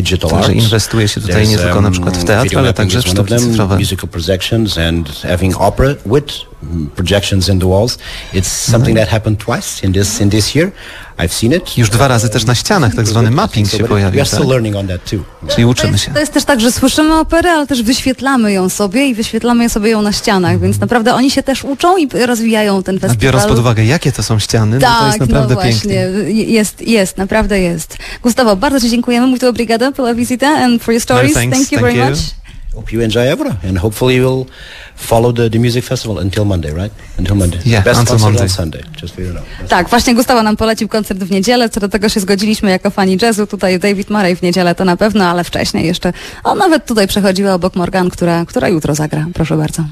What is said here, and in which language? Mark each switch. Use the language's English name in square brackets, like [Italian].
[Polish] Także inwestuje się tutaj nie tylko na przykład w teatr, ale także w sztuki cyfrowe. [English] Musical projections and having opera with projections in the walls. It's something that happened twice in this year. I've seen it. [Polish] Już 2 razy też na ścianach tak zwany mapping się pojawił. [English] We're still learning on that too. [Polish] Czyli uczymy się. To jest też tak, że słyszymy operę, ale też wyświetlamy ją sobie i wyświetlamy sobie ją na ścianach, więc naprawdę oni się też uczą i rozwijają ten festiwal. A biorąc pod uwagę, jakie to są ściany, tak, no to jest naprawdę pięknie. Tak, no właśnie. Pięknie. Jest, naprawdę jest. Gustavo, bardzo Ci dziękujemy. [Portuguese] Muito obrigada pela visita [English] and for your stories. [Polish] No, [English] Thank you very much. Hope you enjoy Evora and hopefully you will follow the music festival until Monday, right? Until Monday. Yeah, best until concert Monday. On Sunday. Just for you know. [Polish] Tak, właśnie Gustavo nam polecił koncert w niedzielę, co do tego się zgodziliśmy jako fani jazzu. Tutaj David Murray w niedzielę to na pewno, ale wcześniej jeszcze. A nawet tutaj przechodziła obok Morgan, która jutro zagra. Proszę bardzo.